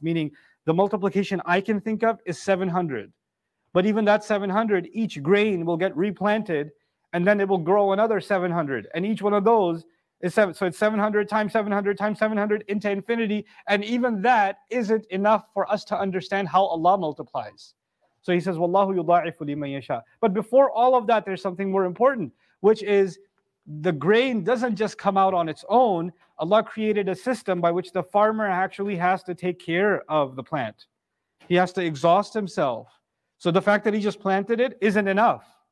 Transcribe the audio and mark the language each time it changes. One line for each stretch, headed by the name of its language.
English: Meaning, the multiplication I can think of is 700. But even that 700, each grain will get replanted, and then it will grow another 700. And each one of those is 700. So it's 700 times 700 times 700 into infinity. And even that isn't enough for us to understand how Allah multiplies. So He says,
Arabic: وَاللَّهُ يُضَاعِفُ لِمَنْ يَشَاءُ.
English: But before all of that, there's something more important, which is the grain doesn't just come out on its own. Allah created a system by which the farmer actually has to take care of the plant. He has to exhaust himself. So the fact that he just planted it isn't enough.